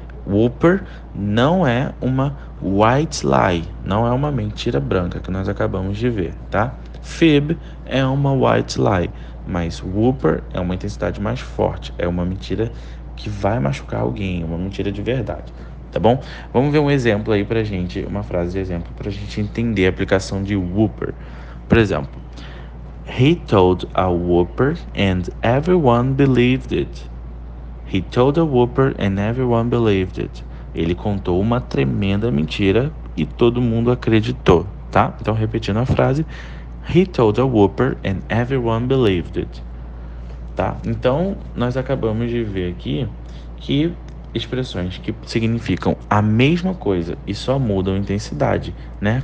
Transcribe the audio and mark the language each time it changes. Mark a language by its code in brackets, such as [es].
[pt] Whooper não é uma white lie, não é uma mentira branca que nós acabamos de ver, tá? Fib é uma white lie, mas whooper é uma intensidade mais forte, é uma mentira que vai machucar alguém, uma mentira de verdade, tá bom? Vamos ver um exemplo aí pra gente, uma frase de exemplo pra gente entender a aplicação de whooper. Por exemplo, [en] he told a whooper and everyone believed it. He told a whopper and everyone believed it. [pt] Ele contou uma tremenda mentira e todo mundo acreditou, tá? Então, repetindo a frase, [en] he told a whopper and everyone believed it. [pt] Tá? Então, nós acabamos de ver aqui que expressões que significam a mesma coisa e só mudam intensidade, né?